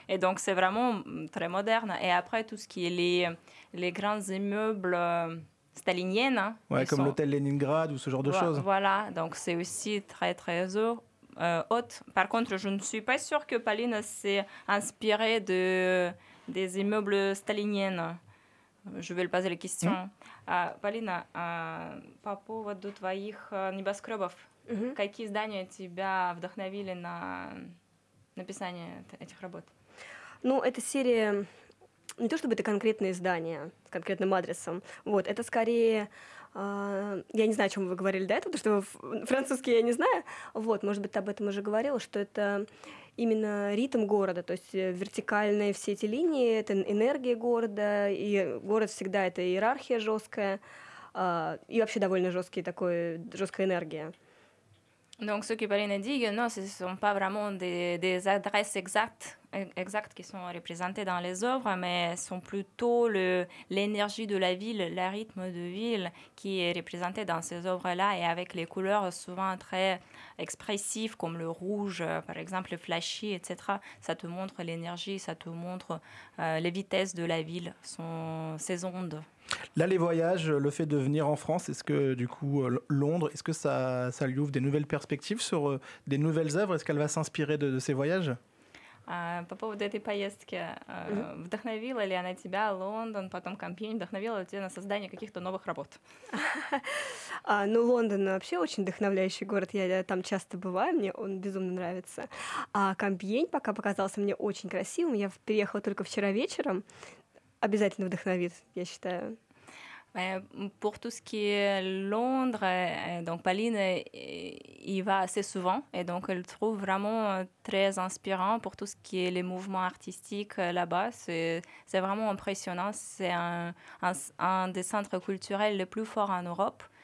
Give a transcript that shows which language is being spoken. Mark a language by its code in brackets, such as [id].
[fr] Et donc, c'est vraiment très moderne. Et après, tout ce qui est les grands immeubles staliniennes... Ouais, comme l'hôtel Leningrad ou ce genre de choses. Voilà, donc c'est aussi très, très haute. Par contre, je ne suis pas sûre que Pauline s'est inspirée des immeubles staliniennes. Je vais le poser la question. [ru] Полина, по поводу твоих небоскребов, какие здания тебя вдохновили на написание этих работ? Ну, эта серия, не то чтобы это конкретные здания с конкретным адресом, вот, это скорее, я не знаю, о чем вы говорили до этого, потому что французский я не знаю, вот, может быть, ты об этом уже говорила, что это... именно ритм города, то есть вертикальные все эти линии, это энергия города, и город всегда — это иерархия жесткая, и вообще довольно жесткая энергия. [fr] Donc, ce que Pauline a dit, non, ce ne sont pas vraiment des adresses exactes qui sont représentées dans les œuvres, mais ce sont plutôt l'énergie de la ville, le rythme de ville qui est représenté dans ces œuvres-là, et avec les couleurs souvent très expressives, comme le rouge, par exemple, le flashy, etc. Ça te montre l'énergie, ça te montre les vitesses de la ville, ses ondes. Là, les voyages, le fait de venir en France, est-ce que du coup Londres, est-ce que ça lui ouvre des nouvelles perspectives sur des nouvelles œuvres? Est-ce qu'elle va s'inspirer de ces voyages? [ru] По поводу этой поездки, вдохновила ли она тебя, Лондон, потом Кампинь, вдохновила ли тебя на создание каких-то новых работ? Ну, Лондон вообще очень вдохновляющий город, я там часто бываю, мне он безумно нравится. А Кампинь пока показался мне очень красивым, я переехала только вчера вечером. Обязательно вдохновит, я считаю. [fr] Pour tout ce qui est Londres, donc Pauline y va assez souvent et donc elle trouve vraiment très inspirant pour tout ce qui est les mouvements artistiques là-bas. C'est vraiment impressionnant. C'est un des centres culturels les plus forts en Europe.